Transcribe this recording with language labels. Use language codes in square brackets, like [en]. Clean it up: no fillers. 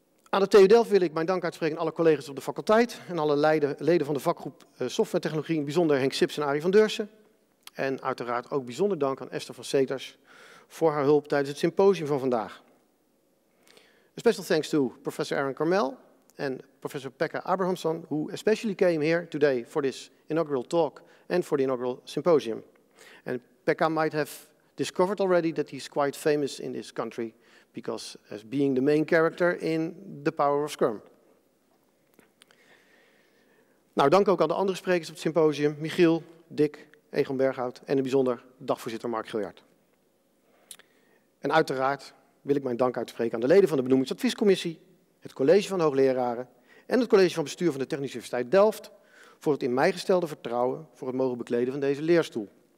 [nl] Aan de TU Delft wil ik mijn dank uitspreken aan alle collega's op de faculteit en alle leden van de vakgroep Software Technologie, in bijzonder Henk Sips en Arie van Deursen. En uiteraard ook bijzonder dank aan Esther van Seters voor haar hulp tijdens het symposium van vandaag. [en] A special thanks to Professor Aaron Carmel and Professor Pekka Abrahamson, who especially came here today for this inaugural talk and for the inaugural symposium. And Pekka might have discovered already that he's quite famous in this country because as being the main character in The Power of Scrum. [nl] Nou, dank ook aan de andere sprekers op het symposium, Michiel, Dick, Egon Berghout en in het bijzonder dagvoorzitter Mark Giljaert. En uiteraard wil ik mijn dank uitspreken aan de leden van de benoemingsadviescommissie, het college van hoogleraren en het college van bestuur van de Technische Universiteit Delft voor het in mij gestelde vertrouwen voor het mogen bekleden van deze leerstoel.